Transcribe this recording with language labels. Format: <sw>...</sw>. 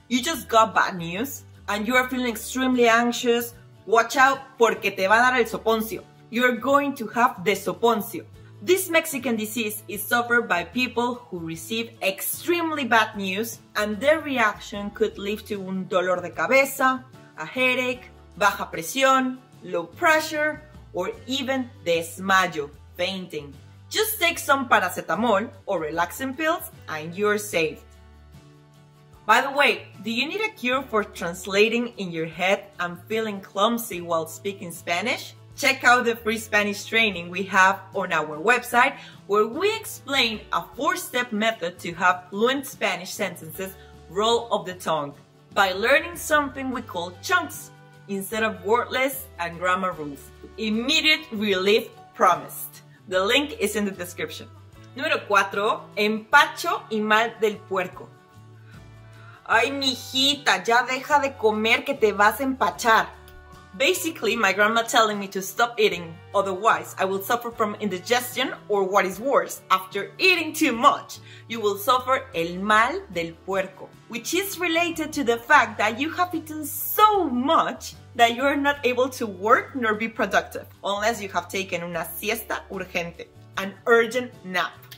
<en>You just got bad news and you are feeling extremely anxious. Watch out</en> <es>porque te va a dar el soponcio.</es> <en>You are going to have the soponcio. This Mexican disease is suffered by people who receive extremely bad news and their reaction could lead to</en> <es>un dolor de cabeza,</es> <en>a headache,</en> <es>baja presión,</es> <en>low pressure, or even</en> <es>desmayo,</es> <en>fainting. Just take some paracetamol or relaxing pills and you're safe. By the way, do you need a cure for translating in your head and feeling clumsy while speaking Spanish? Check out the free Spanish training we have on our website where we explain a 4-step method to have fluent Spanish sentences roll off the tongue by learning something we call chunks instead of wordless and grammar rules. Immediate relief promised. The link is in the description.</en> <es>Número 4, empacho y mal del puerco. Ay, mijita, ya deja de comer que te vas a empachar.</es> <en>Basically, my grandma telling me to stop eating, otherwise I will suffer from indigestion or what is worse, after eating too much, you will suffer</en> <es>el mal del puerco,</es> <en>which is related to the fact that you have eaten so much that you are not able to work nor be productive, unless you have taken</en> <es>una siesta urgente,</es> <en>an urgent nap.</en>